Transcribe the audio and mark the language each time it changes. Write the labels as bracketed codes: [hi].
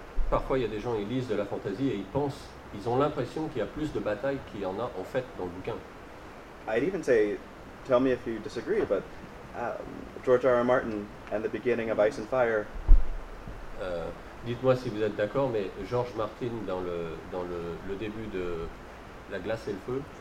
[fr] Parfois, il y a des gens qui lisent de la fantasy et ils pensent, ils ont l'impression qu'il y a plus de batailles qu'il y en a en fait dans le bouquin. [en] I'd even say, tell me if you disagree, but George R. R. Martin and the beginning of Ice and Fire. [fr] Dites-moi si vous êtes d'accord, mais George Martin dans le début de La glace et le feu.